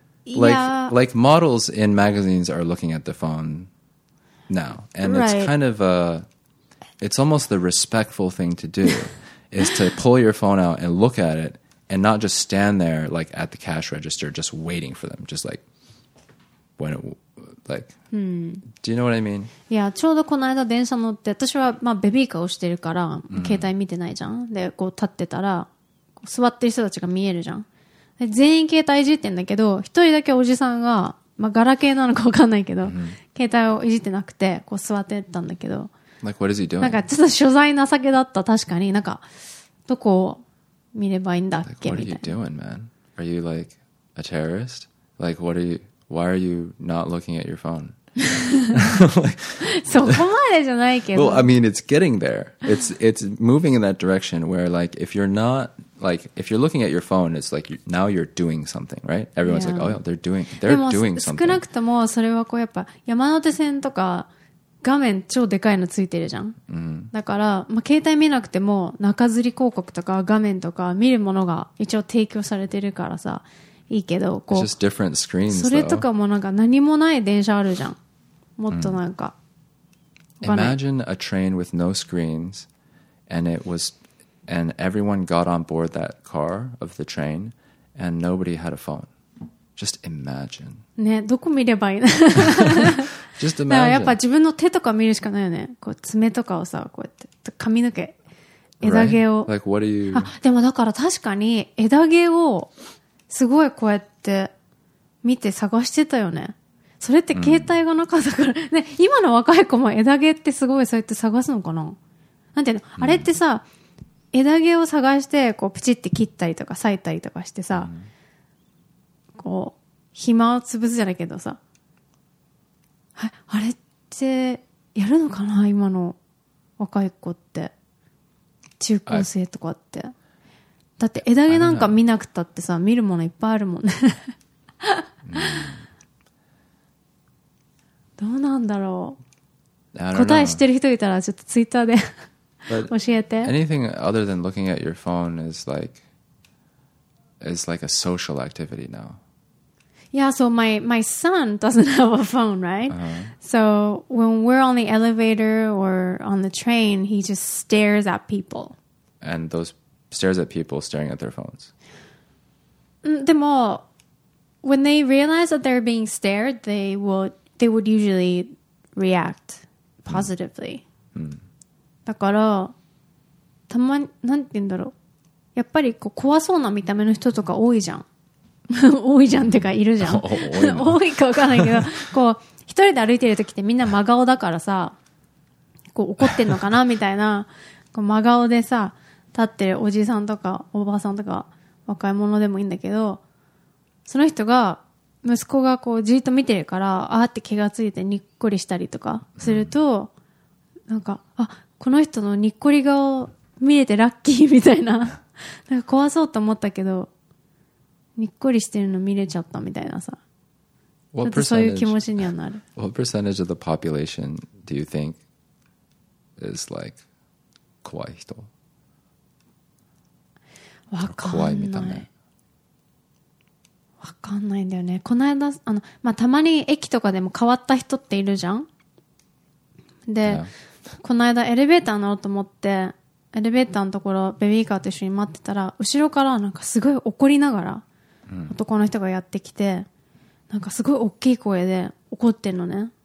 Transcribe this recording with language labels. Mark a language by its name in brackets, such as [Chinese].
[English] Like models in magazines are looking at the phone now. And it's kind of it's almost the respectful thing to do is to pull your phone out and look at it and not just stand there like at the cash register just waiting for them. Just like, when it... Like, do you know what I mean? Yeah, [Japanese] ちょうどこの間電車乗って、私はまあベビーカーをしてるから、携帯見てないじゃん。で、こう立ってたら、座ってる人たちが見えるじゃん。で全員携帯いじってんだけど、一人だけおじさんが、まあ、ガラケーなのか分かんないけど、mm-hmm. 携帯をいじってなくて、こう座ってたんだけど。 [English] Like, what is he doing? [Japanese] なんか、ちょっと所在情けだった、確かに。なんか、どこを見ればいいんだっけ、 [English] like, what are you doing, man? Are you, like, a terrorist? Like, what are you, why are you not looking at your phone? [Japanese] そこまでじゃないけど。 [English] Well, I mean, it's getting there. It's moving in that direction where, like, if you're not... Like, if you're looking at your phone, it's like, you're, now you're doing something, right? Everyone's yeah. like, oh, they're doing something. [Japanese] 少なくとも、それはこうやっぱ、山手線とか、画面超でかいのついてるじゃん。 Mm-hmm. だから、まあ、携帯見なくても、中吊り広告とか画面とか見るものが一応提供されてるからさ、いいけど、こう。 [English] It's just different screens, [Japanese] それとかもなんか何もない電車あるじゃん。もっとなんか。 Mm-hmm. [English] Imagine a train with no screens, and it was... And everyone got on board that car of the train, and nobody had a phone. Just imagine. [Japanese] ね、どこ見ればいいの? [English] Just imagine. [Japanese] だからやっぱ自分の手とか見るしかないよね。こう爪とかをさ、こうやって髪の毛、枝毛を。 [English] Right? Like what are you? [Japanese] あ、でもだから確かに枝毛をすごいこうやって見て探してたよね。それって携帯がなかったから、mm. ね、今の若い子も枝毛ってすごいそうやって探すのかな。なんていうの、mm. あれってさ。枝毛を探して、こう、プチって切ったりとか、裂いたりとかしてさ、こう、暇を潰すじゃないけどさ、あれって、やるのかな今の若い子って。中高生とかって。だって、枝毛なんか見なくたってさ、見るものいっぱいあるもんね。どうなんだろう。答え知ってる人いたら、ちょっとツイッターで。 [English] But anything other than looking at your phone is like a social activity now. Yeah, so my son doesn't have a phone, right? Uh-huh. So when we're on the elevator or on the train, he just stares at people. And those stares at people staring at their phones. [Japanese] でも, [English] when they realize that they're being stared, they would usually react positively. Mm. Mm. [Japanese] だから、たまに、なんて言うんだろう。やっぱり、こう、怖そうな見た目の人とか多いじゃん。多いじゃんってか、いるじゃん。多いか分かんないけど、こう、一人で歩いてる時ってみんな真顔だからさ、こう、怒ってんのかなみたいな、こう真顔でさ、立ってるおじさんとか、おばあさんとか、若い者でもいいんだけど、その人が、息子がこう、じっと見てるから、あーって気がついてにっこりしたりとか、すると、うん、なんか、あ、この人のにっこり顔見れてラッキーみたいな。なんか怖そうと思ったけど、にっこりしてるの見れちゃったみたいなさ。 [English] What percentage, [Japanese] そういう気持ちにはなる。 [English] What percentage of the population do you think is like [Japanese] 怖い人? わかんない。怖い見た目。わかんないんだよね。この間、まあ、たまに駅とかでも変わった人っているじゃん? で、 [English] yeah. [Japanese] この間エレベーター乗ろうと思ってエレベーターのところベビーカーと一緒に待ってたら後ろからなんかすごい怒りながら男の人がやってきてなんかすごい大きい声で怒ってんのね、